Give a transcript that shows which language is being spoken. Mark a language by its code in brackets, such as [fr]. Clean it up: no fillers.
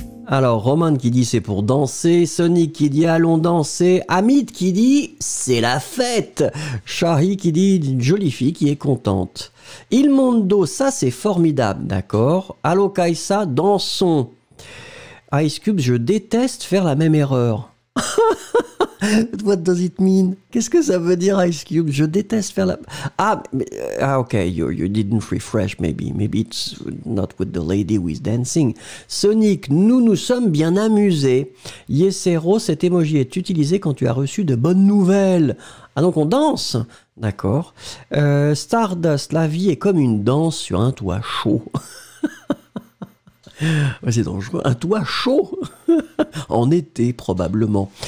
[fr] Alors, Roman qui dit c'est pour danser, Sonic qui dit allons danser, Hamid qui dit c'est la fête, Shahi qui dit une jolie fille qui est contente. Il mondo, ça c'est formidable, d'accord. Allo Kaisa, dansons. Ice Cube, je déteste faire la même erreur. [en] What does it mean? [fr] Qu'est-ce que ça veut dire, Ice Cube? Je déteste faire la... [en] Ah, ok, you didn't refresh, maybe. Maybe it's not with the lady who is dancing. [fr] Sonic, nous sommes bien amusés. Yesero, cet emoji est utilisé quand tu as reçu de bonnes nouvelles. Ah, donc on danse? D'accord. Stardust, la vie est comme une danse sur un toit chaud. C'est dangereux, un toit chaud en été probablement.